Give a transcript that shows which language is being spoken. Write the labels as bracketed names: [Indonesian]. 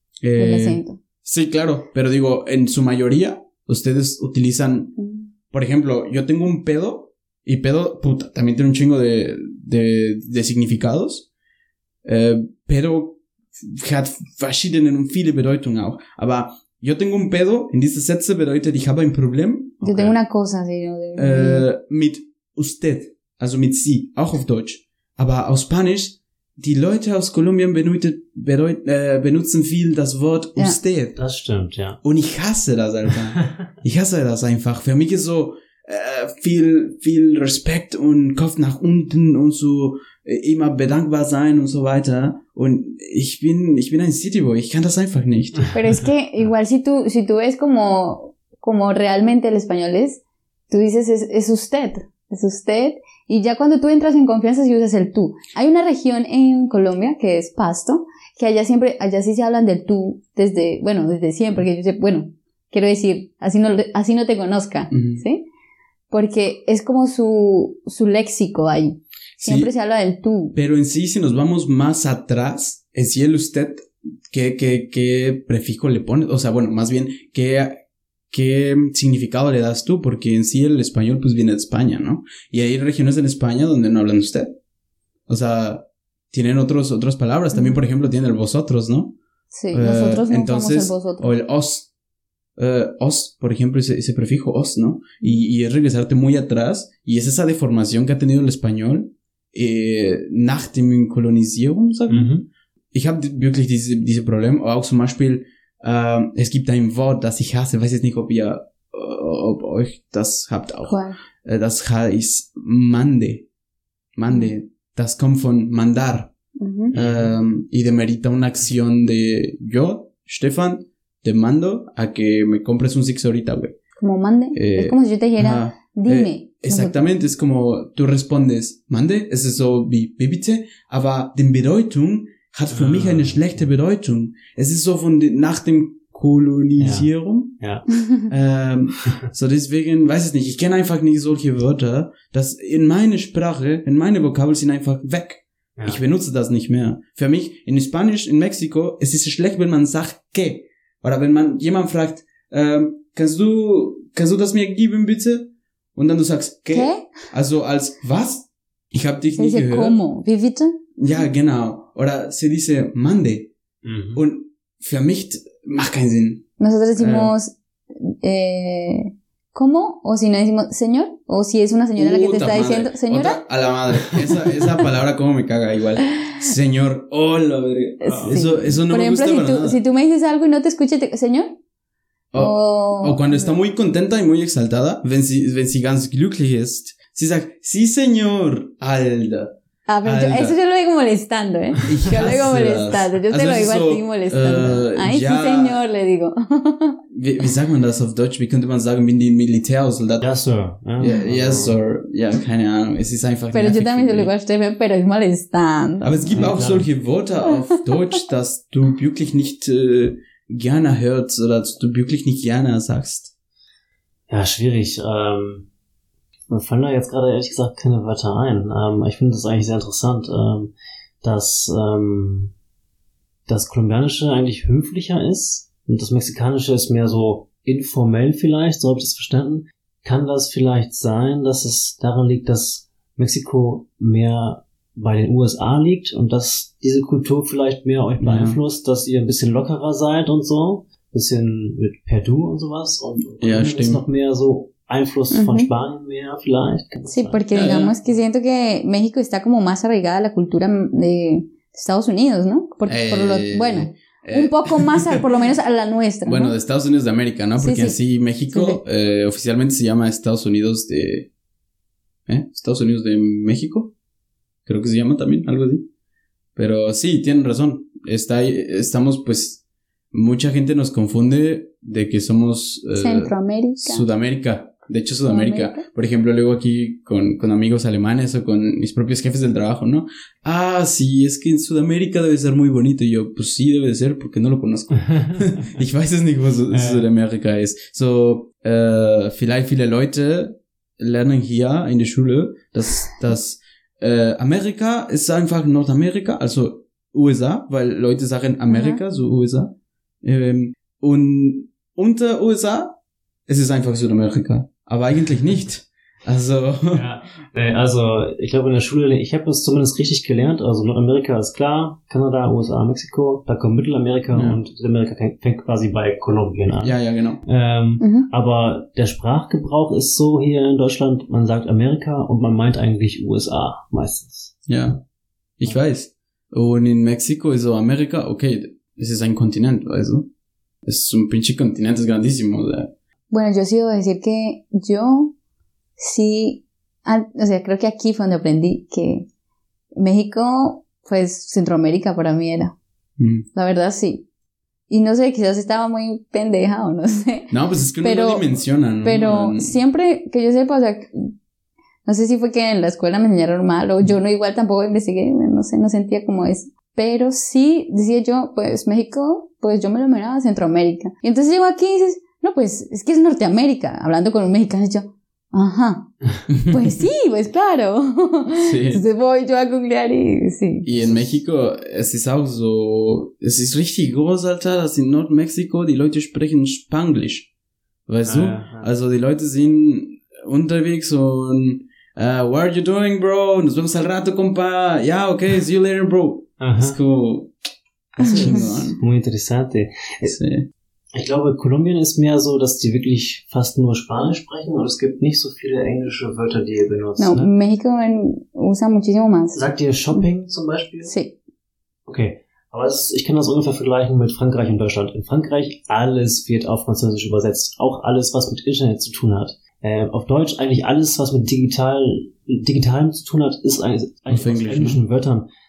[Spanish] El acento. Sí, claro. Pero digo, en su mayoría... Ustedes utilizan, por ejemplo, yo tengo un pedo, y pedo, puta, también tiene un chingo de significados, pero [German] hat verschiedene und viele Bedeutungen auch. Aber [Spanish] yo tengo un pedo, en [German] diese Sätze bedeutet, ich habe ein Problem. [Spanish] Okay. Yo tengo una cosa, sí. [German] Mit usted, also mit sie, auch auf Deutsch. Aber auf Spanisch, die Leute aus Kolumbien benutzen viel das Wort usted. Ja, das stimmt, ja. Und ich hasse das, Alter. Ich hasse das einfach. Für mich ist so viel, viel Respekt und Kopf nach unten und so immer bedankbar sein und so weiter. Und ich bin ein Cityboy. Ich kann das einfach nicht. [Spanish] Pero es que igual si tú ves como realmente el español es, tú dices es usted. Es usted, y ya cuando tú entras en confianza, si usas el tú. Hay una región en Colombia, que es Pasto, que allá sí se hablan del tú desde siempre, porque yo sé, bueno, quiero decir, así no te conozca, uh-huh. ¿Sí? Porque es como su léxico ahí, siempre sí, se habla del tú. Pero en sí, si nos vamos más atrás, en sí el usted, ¿qué prefijo le pone? O sea, bueno, más bien, ¿qué significado le das tú? Porque en sí el español pues viene de España, ¿no? Y hay regiones en España donde no hablan usted. O sea, tienen otras palabras. También, por ejemplo, tienen el vosotros, ¿no? Sí, nosotros no entonces, usamos el vosotros. O el os. Os, por ejemplo, ese prefijo os, ¿no? Y es regresarte muy atrás. Y es esa deformación que ha tenido el español. [German] Nach dem Kolonisierung, [Spanish] ¿sabes? Uh-huh. [German] Ich habe wirklich diese Problem. O auch zum Beispiel... es gibt ein Wort, das ich hasse, weiß jetzt nicht, ob ihr euch das habt auch. [English] Cool. [German] das heißt mande. Mande. Das kommt von mandar. [Spanish] Y demerita una acción de yo, Stefan, te mando a que me compres un Six ahorita, güey. Como mande. Es como si yo te dijera, dime. Exactamente, es como tú respondes, mande, es eso, [German] wie bitte, aber die Bedeutung hat für mich eine schlechte Bedeutung. Es ist so von nach dem Kolonisierung. Ja. So deswegen, weiß ich nicht, ich kenne einfach nicht solche Wörter, dass in meine Sprache, in meine Vokabeln sind einfach weg. Ja. Ich benutze das nicht mehr. Für mich, in Spanisch, in Mexiko, es ist schlecht, wenn man sagt, que. Oder wenn man jemand fragt, kannst du das mir geben, bitte? Und dann du sagst, que? Also als, was? Ich habe dich nicht gehört. [Spanish] Como? [German] Wie bitte? Ja, genau. Oder [Spanish] se dice, mande. [German] Und für mich macht keinen Sinn. [Spanish] Nosotros decimos, ¿cómo? O si no decimos, señor. O si es una señora la que te está diciendo, señora. A la madre. Esa palabra, ¿cómo me caga? Igual. Señor. Hola, oh, madre. Sí. Eso no por me ejemplo, Por ejemplo, si tú me dices algo y no te escuches, señor. O cuando está muy contenta y muy exaltada, [German] wenn sie ganz glücklich ist, sie sagt, [Spanish] sí, señor. Alda. Ah, pero yo, eso yo lo digo molestando, ¿eh? Yo lo digo molestando. Yo te lo digo a ti molestando. Ay, ya. Sí, señor, le digo. [German] Wie sagt man das auf Deutsch? Wie könnte man sagen, bin die Militärsoldat? [English] Yes, sir. Yes, sir. [German] Ja, keine Ahnung. Es ist einfach. [Spanish] Pero yo también lo digo a Stefan, pero es molestando. [German] Aber es gibt auch solche Wörter auf Deutsch, dass du wirklich nicht gerne hörst oder dass du wirklich nicht gerne sagst. Ja, schwierig. Mir fallen da jetzt gerade ehrlich gesagt keine Wörter ein. Ich finde das eigentlich sehr interessant, dass Kolumbianische eigentlich höflicher ist und das Mexikanische ist mehr so informell vielleicht, so habe ich das verstanden. Kann das vielleicht sein, dass es daran liegt, dass Mexiko mehr bei den USA liegt und dass diese Kultur vielleicht mehr euch beeinflusst, dass ihr ein bisschen lockerer seid und so, ein bisschen mit Perdu und sowas und ja, stimmt. Ist noch mehr so Einfluss von Spanien mehr vielleicht. [Spanish] Sí, porque digamos que siento que México está como más arraigada a la cultura de Estados Unidos, ¿no? Un poco más, por lo menos a la nuestra. Bueno, ¿no? De Estados Unidos de América, ¿no? Porque así México oficialmente se llama Estados Unidos de... Estados Unidos de México. Creo que se llama también, algo así. Pero sí, tienen razón. Estamos pues... Mucha gente nos confunde de que somos... Centroamérica. Sudamérica. De hecho, Sudamérica. ¿Sudamérica? Por ejemplo, luego aquí con amigos alemanes o con mis propios jefes del trabajo, ¿no? Ah, sí, es que en Sudamérica debe ser muy bonito. Y yo, pues sí, debe de ser porque no lo conozco. [German] Ich weiß nicht, was Sudamérica ist. So, vielleicht viele Leute lernen hier in der Schule, dass Amerika ist einfach Nordamerika, also USA, weil Leute sagen Amerika, so USA. Und unter USA, es ist einfach Südamerika. Aber eigentlich nicht. Also. Ja, also, ich glaube, in der Schule, ich habe es zumindest richtig gelernt. Also, Nordamerika ist klar. Kanada, USA, Mexiko. Da kommt Mittelamerika und Südamerika fängt quasi bei Kolumbien an. Ja, genau. Aber der Sprachgebrauch ist so hier in Deutschland, man sagt Amerika und man meint eigentlich USA meistens. Ja. Ich weiß. Und in Mexiko ist so Amerika, okay. Es ist ein Kontinent, also. Es ist ein pinche Kontinent, es ist grandísimo. [Spanish] Bueno, yo sí debo decir que yo sí, o sea, creo que aquí fue donde aprendí que México, pues, Centroamérica para mí era. La verdad, sí. Y no sé, quizás estaba muy pendeja o no sé. No, pues es que pero, no lo dimensionan, ¿no? Pero siempre que yo sepa, o sea, no sé si fue que en la escuela me enseñaron mal o yo no igual tampoco investigué, no sé, no sentía como eso. Pero sí, decía yo, pues México, pues yo me lo miraba Centroamérica. Y entonces llego aquí y dices, no, pues es que es Norteamérica. Hablando con un mexicano, yo, ajá, pues sí, pues claro. Sí. Entonces voy yo a googlear y sí. Y en México, [German] es ist auch so, es ist richtig groß, Alter, dass in Nordmexiko die Leute sprechen Spanglisch. Weißt du? Also die Leute sind unterwegs und, [English] what are you doing, bro? [Spanish] Nos vemos al rato, compa. [German] Ja, [English] okay, see you later, bro. [Spanish] Es [English] cool. [Spanish] Muy interesante. Sí. [German] Ich glaube, Kolumbien ist mehr so, dass die wirklich fast nur Spanisch sprechen und es gibt nicht so viele englische Wörter, die ihr benutzt. [Spanish] No, [German] ne? [Spanish] Mexico usa muchísimo más. [German] Sagt ihr Shopping zum Beispiel? [Spanish] Sí. [German] Okay, aber ich kann das ungefähr vergleichen mit Frankreich und Deutschland. In Frankreich alles wird auf Französisch übersetzt, auch alles, was mit Internet zu tun hat. auf Deutsch eigentlich alles, was mit Digitalem zu tun hat, ist eigentlich aus Englisch, englischen, ne? Wörtern.